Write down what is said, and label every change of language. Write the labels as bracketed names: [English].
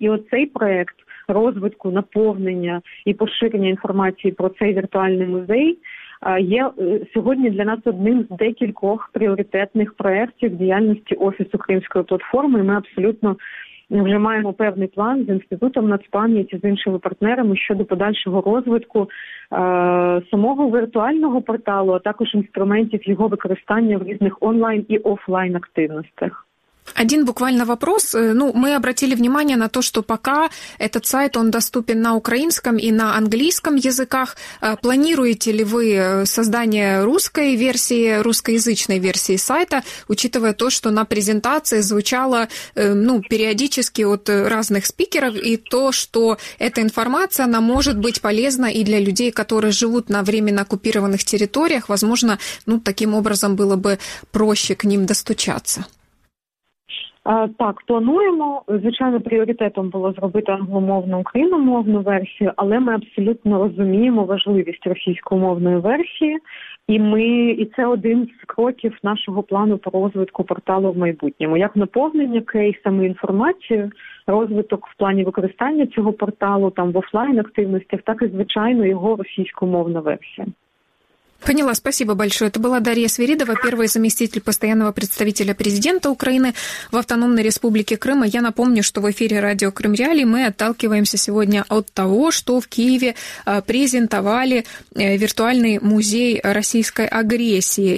[Ukrainian] І оцей проєкт розвитку, наповнення і поширення інформації про цей віртуальний музей є сьогодні для нас одним з декількох пріоритетних проєктів діяльності Офісу Кримської платформи. І ми абсолютно вже маємо певний план з Інститутом Нацпам'яті, з іншими партнерами щодо подальшого розвитку самого віртуального порталу, а також інструментів його використання в різних онлайн і офлайн активностях. [Russian] Один буквально вопрос. Ну, мы обратили внимание на то, что пока этот сайт, он доступен на украинском и на английском языках. Планируете ли вы создание русской версии, русскоязычной версии сайта, учитывая то, что на презентации звучало, ну, периодически от разных спикеров, и то, что эта информация, она может быть полезна и для людей, которые живут на временно оккупированных территориях. Возможно, ну, таким образом было бы проще к ним достучаться. [Ukrainian] Так, плануємо. Звичайно, пріоритетом було зробити англомовну україномовну версію, але ми абсолютно розуміємо важливість російськомовної версії. І це один з кроків нашого плану по розвитку порталу в майбутньому. Як наповнення кейсами інформацією, розвиток в плані використання цього порталу там в офлайн-активностях, так і, звичайно, його російськомовна версія. [Russian] Поняла, спасибо большое. Это была Дарья Свиридова, первый заместитель постоянного представителя президента Украины в Автономной Республике Крым. Я напомню, что в эфире радио «Крым Реалии» мы отталкиваемся сегодня от того, что в Киеве презентовали виртуальный музей российской агрессии.